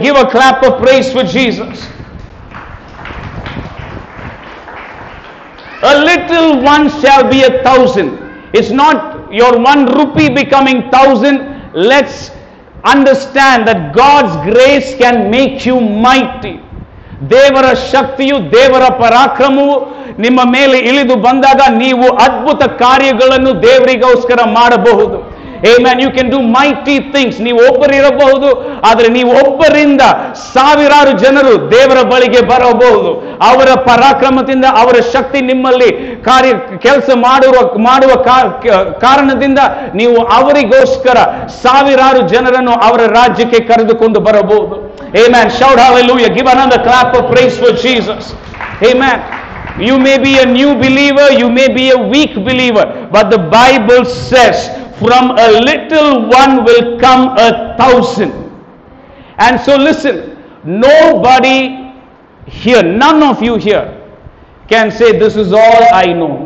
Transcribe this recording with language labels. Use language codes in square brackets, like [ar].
[en] Give a clap of praise for Jesus. A little one shall be a thousand. It's not your 1 rupee becoming 1,000, let's understand that God's grace can make you mighty. [kn] ದೇವರ ಶಕ್ತಿಯು ದೇವರ ಪರಾಕ್ರಮವು ನಿಮ್ಮ ಮೇಲೆ ಇಳಿದು ಬಂದಾಗ ನೀವು ಅದ್ಭುತ ಕಾರ್ಯಗಳನ್ನು ದೇವರಿಗೋಸ್ಕರ ಮಾಡಬಹುದು. Amen. [en] You can do mighty things. [kn] ನೀವು ಒಬ್ಬರಿರಬಹುದು, ಆದರೆ ನೀವು ಒಬ್ಬರಿಂದ ಸಾವಿರಾರು ಜನರು ದೇವರ ಬಳಿಗೆ ಬರಬಹುದು. ಅವರ ಪರಾಕ್ರಮದಿಂದ, ಅವರ ಶಕ್ತಿ ನಿಮ್ಮಲ್ಲಿ ಕೆಲಸ ಮಾಡುವ ಕಾರಣದಿಂದ ನೀವು ಅವರಿಗೋಸ್ಕರ ಸಾವಿರಾರು ಜನರನ್ನು ಅವರ ರಾಜ್ಯಕ್ಕೆ ಕರೆದುಕೊಂಡು ಬರಬಹುದು. [en] Amen. Shout hallelujah. Give another clap of praise for Jesus. Amen. You may be a new believer, you may be a weak believer, but the Bible says from a little one will come a thousand. And so listen, nobody here, none of you here can say this is all I know.